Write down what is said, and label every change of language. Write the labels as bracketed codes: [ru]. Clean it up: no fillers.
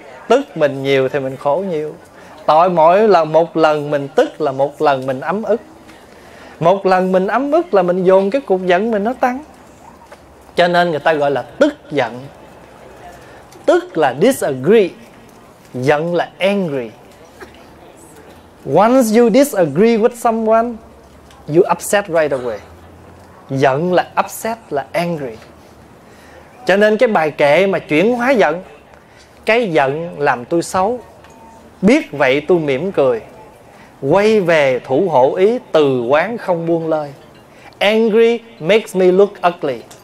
[vi] Tức mình nhiều thì mình khổ nhiều. Tội mỗi là một lần mình tức là một lần mình ấm ức. Một lần mình ấm ức là mình dồn cái cục giận mình nó tăng. Cho nên người ta gọi là tức giận. Tức là disagree, giận là angry. [en] Once you disagree with someone, you upset right away. [vi] Giận là upset, là angry. Cho nên cái bài kệ mà chuyển hóa giận: cái giận làm tôi xấu, biết vậy tôi mỉm cười, quay về thủ hộ ý, từ quán không buông lơi. [en] Angry makes me look ugly.